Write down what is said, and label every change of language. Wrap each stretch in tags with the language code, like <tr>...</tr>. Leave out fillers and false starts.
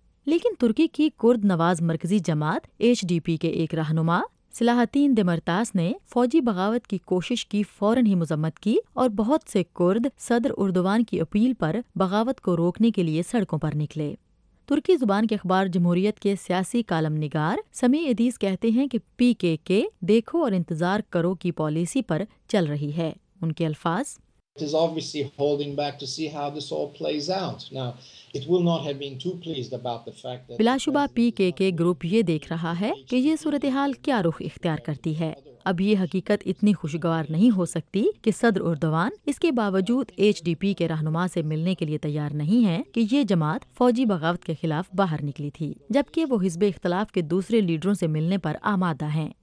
<ur>لیکن ترکی کی کرد نواز مرکزی جماعت ایچ ڈی پی کے ایک رہنما صلاح الدین دمرتاس نے فوجی بغاوت کی کوشش کی فوراً ہی مذمت کی، اور بہت سے کرد صدر اردوان کی اپیل پر بغاوت کو روکنے کے لیے سڑکوں پر نکلے۔ ترکی زبان کے اخبار جمہوریت کے سیاسی کالم نگار سمیع ادیس کہتے ہیں کہ پی کے کے دیکھو اور انتظار کرو کی پالیسی پر چل رہی ہے۔ ان کے الفاظ،</ur> <en>It is obviously holding back to see how this all plays out. Now, it will not have been too pleased about the fact that</en> <ur>بلا شبہ پی کے کے گروپ یہ دیکھ رہا ہے کہ یہ صورتحال کیا رخ اختیار کرتی ہے۔ اب یہ حقیقت اتنی خوشگوار نہیں ہو سکتی کہ صدر اردوان اس کے باوجود ایچ ڈی پی کے رہنما سے ملنے کے لیے تیار نہیں ہے کہ یہ جماعت فوجی بغاوت کے خلاف باہر نکلی تھی، جبکہ وہ حزب اختلاف کے دوسرے لیڈروں سے ملنے پر آمادہ ہیں۔</ur>